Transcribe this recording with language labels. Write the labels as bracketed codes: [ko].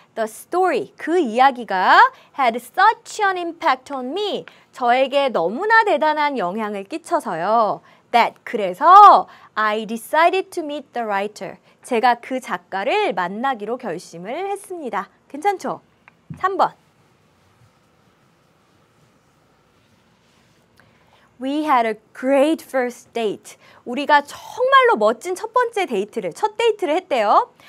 [en] The story, [ko] 그 이야기가 [en] had such an impact on me. [ko] 저에게 너무나 대단한 영향을 끼쳐서요. [en] That, [ko] 그래서 [en] I decided to meet the writer. [ko] 제가 그 작가를 만나기로 결심을 했습니다. 괜찮죠? 3번. [en] We had a great first date. [ko] 우리가 정말로 멋진 첫 번째 데이트를, 첫 데이트를 했대요.